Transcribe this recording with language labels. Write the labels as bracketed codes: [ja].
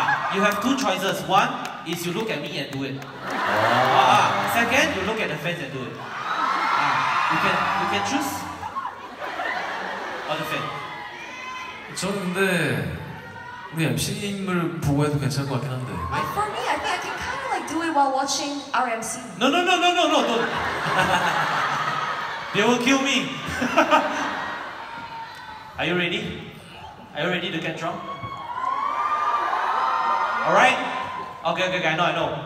[en] You have two choices. One is you look at me and do it. Second, you look at the fans and do it. You can choose. other fan? [ko] 저는 근데 우리 MC님을 보고 해도 괜찮을 것 같긴 한데. [en] But for me, I think I can kind of like do it while watching our MC. No, no, no, no, no, no, no. They will kill me. Are you ready? Are you ready to get drunk? All right. Okay, okay, okay. I know, I know.